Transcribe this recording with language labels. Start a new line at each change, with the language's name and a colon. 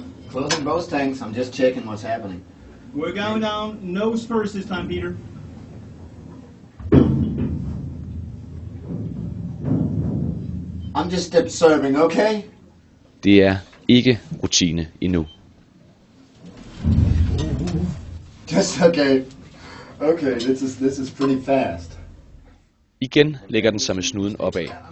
English: Closing both tanks, I'm just checking what's happening. We're going down nose first this time, Peter. I'm just step serving, okay?
Danish: Det er ikke rutine endnu.
English: Just okay. Okay, this is pretty fast.
Danish: Igen lægger den sig med snuden opad.